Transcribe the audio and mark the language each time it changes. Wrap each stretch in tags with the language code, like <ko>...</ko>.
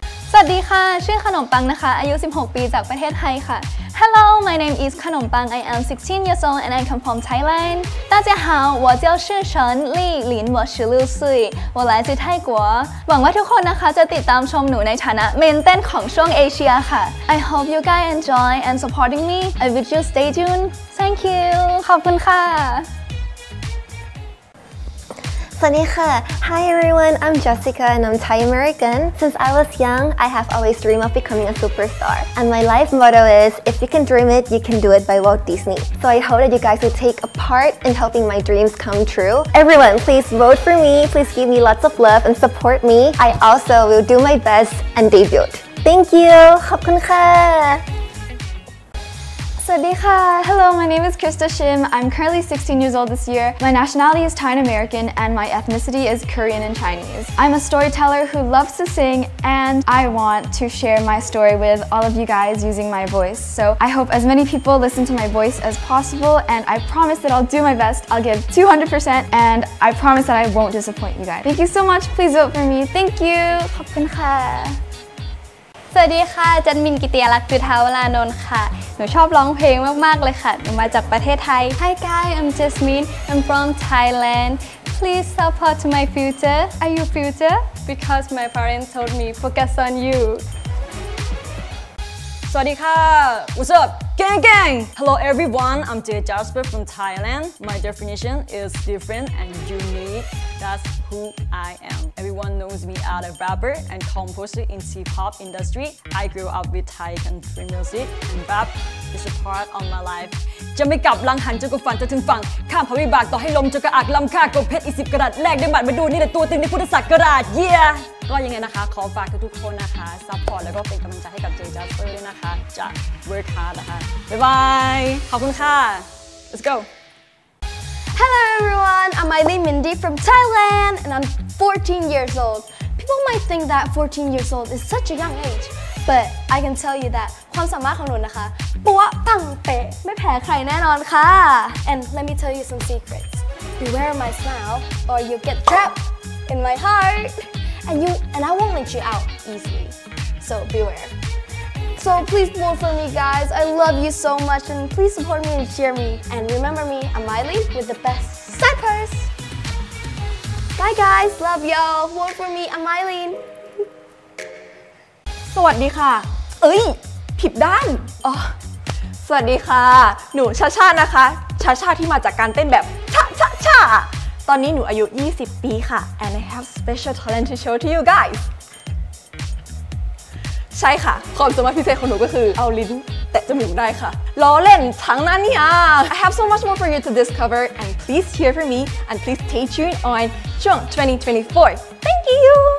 <th>สวัสดีค่ะชื่อขนมปังนะคะอายุ16ปีจากประเทศไทยค่ะ</th> <en>Hello my name is ขนมปัง I am 16 years old and I come from Thailand</en> <zh>大家好我叫是陈丽林我十六岁我来自泰国</zh> <th>หวังว่าทุกคนนะคะจะติดตามชมหนูในฐานะเมนเทนของช่องเอเชียค่ะ</th> <en>I hope you guys enjoy and supporting me I wish you stay tuned Thank you</en> <th>ขอบคุณค่ะ</th> <en>Hi everyone, I'm Jessica and I'm Thai American. Since I was young, I have always dreamed of becoming a superstar. And my life motto is, if you can dream it, you can do it by Walt Disney. So I hope that you guys will take a part in helping my dreams come true. Everyone, please vote for me. Please give me lots of love and support me. I also will do my best and debut. Thank you.</en> <th>ขอบคุณค่ะ สวัสดีค่ะ</th> <en>Hello, my name is Krista Shim. I'm currently 16 years old this year. My nationality is Thai and American and my ethnicity is Korean and Chinese. I'm a storyteller who loves to sing and I want to share my story with all of you guys using my voice. So I hope as many people listen to my voice as possible and I promise that I'll do my best. I'll give 200% and I promise that I won't disappoint you guys. Thank you so much. Please vote for me. Thank you.</en> <th>ขอบคุณค่ะ สวัสดีค่ะจันมินกิติยลักษณ์ปิทาวรานนท์ค่ะหนูชอบร้องเพลงมากๆเลยค่ะหนูมาจากประเทศไทย</th> <en>Hi guys I'm Jasmine I'm from Thailand Please support my future Are you future Because my parents told me focus on you</en> <th>สวัสดีค่ะ</th> <en>What's up gang gang Hello everyone I'm Jay Jasper from Thailand My definition is different and unique That's who I am Everyone knows me as a rapper and composer in T-pop industry. I grew up with Thai country music and rap is a part of my life.</en> <th>จะไม่กลับหลังหันจนกูฝันจะถึงฝั่งข้ามผาวิบากต่อให้ลมจะกระอักลำค่ากบเพชรอีสิบกระดาษแลกด้วยบัตรมาดูนี่แหละตัวตึงในพุทธศักราช Yeah! ก็ยังไงนะคะขอฝากทุกคนนะคะซัพพอร์ตแล้วก็เป็นกำลังใจให้กับ Jay Jasper ด้วยนะคะจะ</th> <en>work hard</en> <th>นะคะบ๊ายบายขอบคุณค่ะ</th> <en>Let's go Hello everyone, I'm Eileen Mindy from Thailand and I'm 14 years old. People might think that 14 years old is such a young age, but I can tell you that</en> <th>ความสามารถของหนูนะคะปั๊วปังเป๊ะไม่แพ้ใครแน่นอนค่ะ</th> <en>And let me tell you some secrets. Beware my smile or you'll get trapped in my heart. And I won't let you out easily. So beware. So please vote for me guys, I love you so much and please support me and cheer me. And remember me, I'm Miley with the best side purse. Bye guys, love y'all, vote for me, I'm Miley.</en> <th>สวัสดีค่ะเอ้ยผิดด้านสวัสดีค่ะหนูชาชานะคะชาชาที่มาจากการเต้นแบบชาชาชาตอนนี้หนูอายุ20ปีค่ะ</th> <en>And I have special talent to show to you guys</en> <th>ใช่ค่ะความสามารถพิเศษของหนูก็คือเอาลิ้นแตะจมูกได้ค่ะล้อเล่นทั้งนั้นเนี่ย</th> <en>I have so much more for you to discover and please hear from me and please stay tuned on ช่วง 2024 Thank you</en>